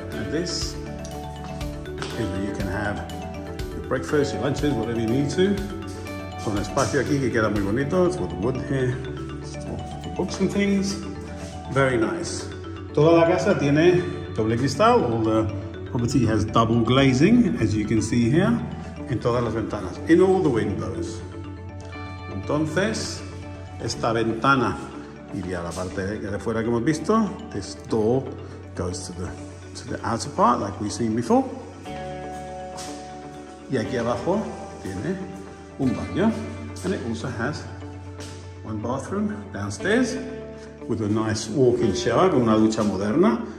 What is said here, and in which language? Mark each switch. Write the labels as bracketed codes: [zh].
[en] And this is where you can have breakfast, your lunches, whatever you need to. [es] Con espacio aquí que queda muy bonito. [en] It's with the wood here. Some books and things. Very nice. [es] Toda la casa tiene doble cristal. [en] All the property has double glazing, as you can see here. [es] En todas las ventanas. [en] In all the windows. [es] Entonces, esta ventana iría a la parte de fuera que hemos visto. [en] This door goes to the outer part, like we've seen before. [es] Y aquí abajo tiene un baño. [en] And it also has one bathroom downstairs with a nice walk-in shower, [es] con una ducha moderna.